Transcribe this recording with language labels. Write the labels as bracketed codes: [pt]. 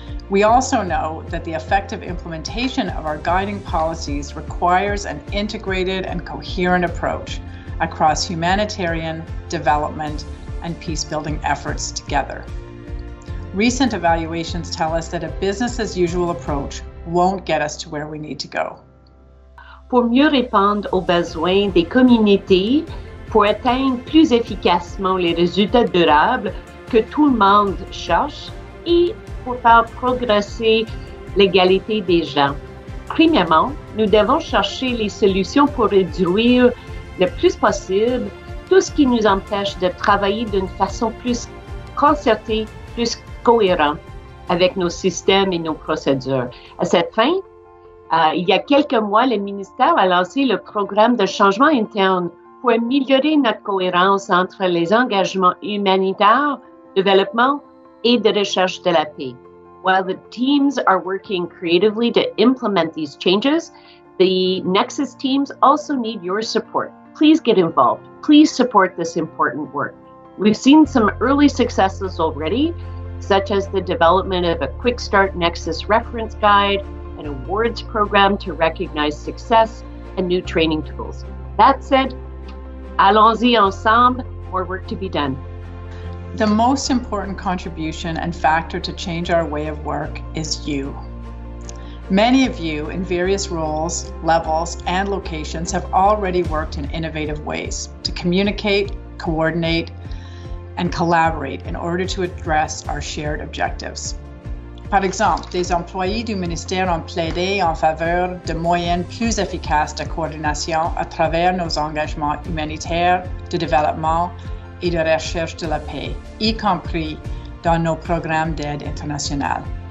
[en] We also know that the effective implementation of our guiding policies requires an integrated and coherent approach across humanitarian, development, and peace-building efforts together. Recent evaluations tell us that a business-as-usual approach won't get us to where we need to go. [fr] Pour mieux répondre aux besoins des communautés, pour atteindre plus efficacement les résultats durables que tout le monde cherche et pour faire progresser l'égalité des gens. Premièrement, nous devons chercher les solutions pour réduire le plus possible tout ce qui nous empêche de travailler d'une façon plus concertée, plus cohérente avec nos systèmes et nos procédures. À cette fin, il y a quelques mois, le ministère a lancé le programme de changement interne pour améliorer notre cohérence entre les engagements humanitaires, développement et de recherche de la paix. [en] While the teams are working creatively to implement these changes, the Nexus teams also need your support. Please get involved. Please support this important work. We've seen some early successes already, such as the development of a Quick Start Nexus reference guide, an awards program to recognize success, and new training tools. That said, [fr] allons-y ensemble, [en] more work to be done. The most important contribution and factor to change our way of work is you. Many of you in various roles, levels, and locations have already worked in innovative ways to communicate, coordinate, and collaborate in order to address our shared objectives. [fr] Par exemple, des employés du ministère ont plaidé en faveur de moyens plus efficaces de coordination à travers nos engagements humanitaires, de développement et de recherche de la paix, y compris dans nos programmes d'aide internationale.